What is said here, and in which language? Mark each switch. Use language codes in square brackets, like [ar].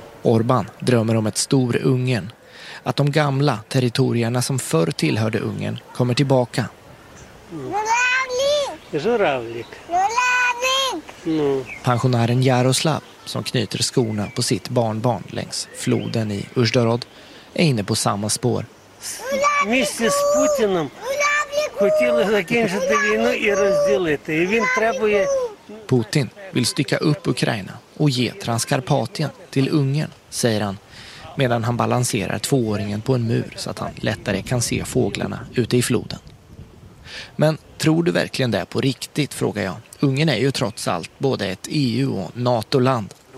[sv] Орбан drömmer om ett stor Ungern, att de gamla territorierna som förr tillhörde Ungern kommer tillbaka. [uk] Журавлик. [sv] Pensionären Jaroslav, som knyter skorna på sitt barnbarn längs floden i Uzhdorod, är inne på samma spår. [ru] Вместе с Путиным [uk] хотіли закінчити війну і розділити. І він требує. [sv] Путін vill stycka upp Ukraina och ge Transkarpatien till Ungern, säger han, medan han balanserar tvååringen på en mur så att han lättare kan se fåglarna ute i floden. Men tror du verkligen det på riktigt, frågar jag. Ungern är ju trots allt både ett EU- och NATO-land.